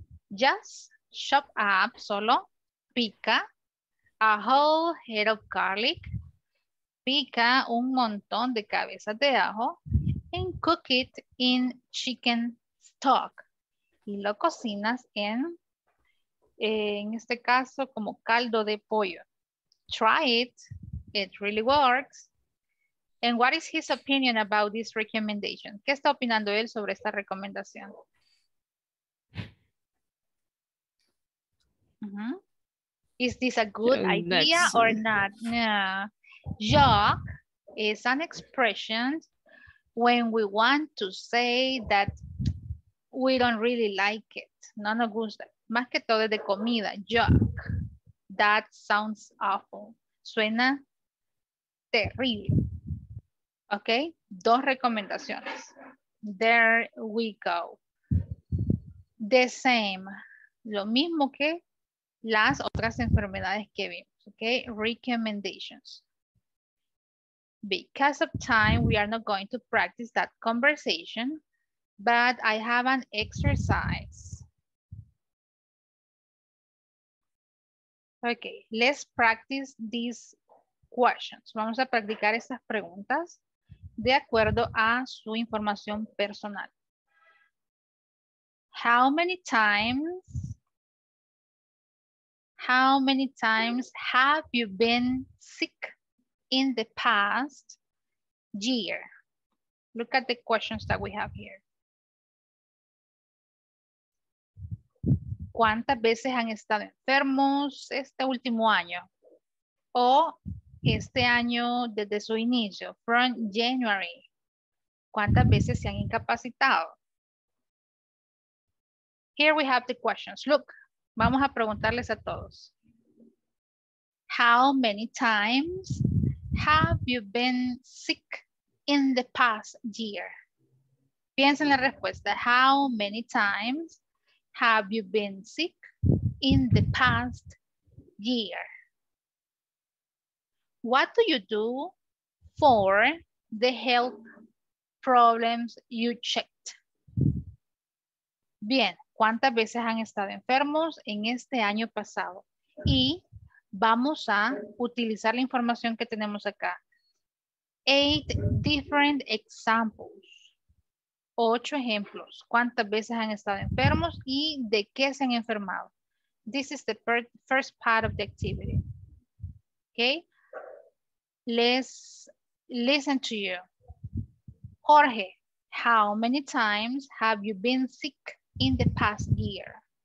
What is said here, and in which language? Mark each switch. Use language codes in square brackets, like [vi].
[en] Just chop up, [es] solo pica [en] a whole head of garlic. [es] Pica un montón de cabezas de ajo [en] and cook it in chicken stock. [es] Y lo cocinas en este caso, como caldo de pollo. [en] Try it. It really works. And what is his opinion about this recommendation? [es] ¿Qué está opinando él sobre esta recomendación? [en] Is this a good idea or not? Yuck is an expression when we want to say that we don't really like it. [es] No nos gusta. Más que todo de comida. [en] Yuck. That sounds awful. [es] Suena terrible. Okay. Dos recomendaciones. [en] There we go. The same. [es] Lo mismo que las otras enfermedades que vimos. [en] Okay. Recommendations. Because of time, we are not going to practice that conversation. but I haven't exercised. Okay, let's practice these questions. [es] Vamos a practicar estas preguntas de acuerdo a su información personal. [en] How many times have you been sick in the past year? Look at the questions that we have here. [es] ¿Cuántas veces han estado enfermos este último año? O este año desde su inicio, [en] from January. [es] ¿Cuántas veces se han incapacitado? [en] Here we have the questions. Look, [es] vamos a preguntarles a todos. [en] How many times have you been sick in the past year? [es] Piensa en la respuesta. [en] How many times have you been sick in the past year? What do you do for the health problems you checked? [es] Bien, ¿cuántas veces han estado enfermos en este año pasado? Y vamos a utilizar la información que tenemos acá. [en] 8 different examples. [es] 8 ejemplos. ¿Cuántas veces han estado enfermos y de qué se han enfermado? [en] This is the first part of the activity. Okay. Let's listen to you. Jorge, how many times have you been sick in the past year?